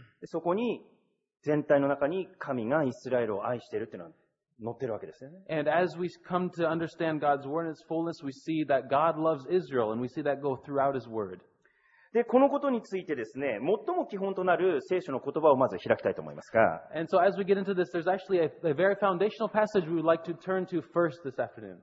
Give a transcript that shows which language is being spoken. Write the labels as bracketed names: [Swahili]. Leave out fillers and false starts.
[Japanese] で、そこに、全体の中に神がイスラエルを愛しているというのは、乗ってるわけですね。 [English] And as we come to understand God's word in its fullness, we see that God loves Israel, and we see that go throughout His word. [Japanese] で、このことについてですね、最も基本となる聖書の言葉をまず開きたいと思いますが。 [English] And so as we get into this, there's actually a very foundational passage we would like to turn to first this afternoon.